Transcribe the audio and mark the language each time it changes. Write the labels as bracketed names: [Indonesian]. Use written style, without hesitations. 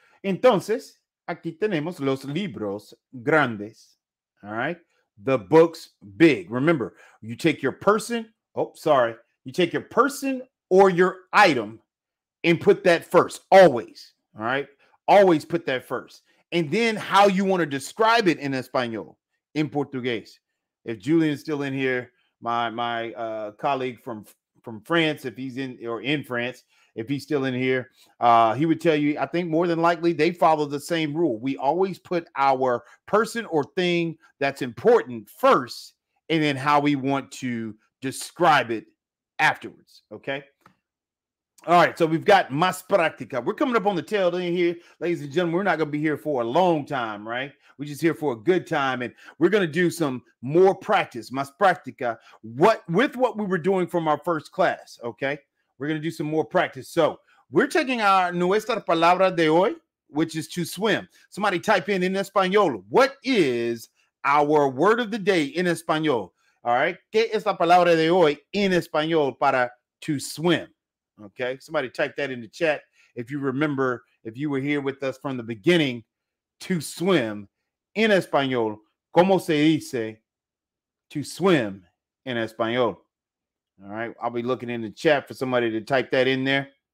[Spanish] Entonces, aquí tenemos los libros grandes, [English] all right? The books big. Remember, you take your person. Oh, sorry. You take your person or your item and put that first. Always. All right. Always put that first. And then how you want to describe it in Espanol, in Portuguese. If Julian's still in here, my colleague from France, if he's in France, if he's still in here, he would tell you, I think more than likely they follow the same rule. We always put our person or thing that's important first, and then how we want to describe it afterwards. Okay. All right. So we've got [Spanish] más práctica. [English] We're coming up on the tail end here, ladies and gentlemen. We're not going to be here for a long time, right? We're just here for a good time, and we're going to do some more practice, [Spanish] más práctica, [English] with what we were doing from our first class. Okay. We're going to do some more practice. So we're taking our [Spanish] nuestra palabra de hoy, [English] which is to swim. Somebody type in Espanol. What is our word of the day in Espanol? All right. [Spanish] ¿Qué es la palabra de hoy en Espanol para [English] to swim? Okay. Somebody type that in the chat. If you remember, if you were here with us from the beginning, to swim [Spanish] en Espanol. ¿Cómo se dice [English] to swim [Spanish] en Espanol? [English] All right, I'll be looking in the chat for somebody to type that in there.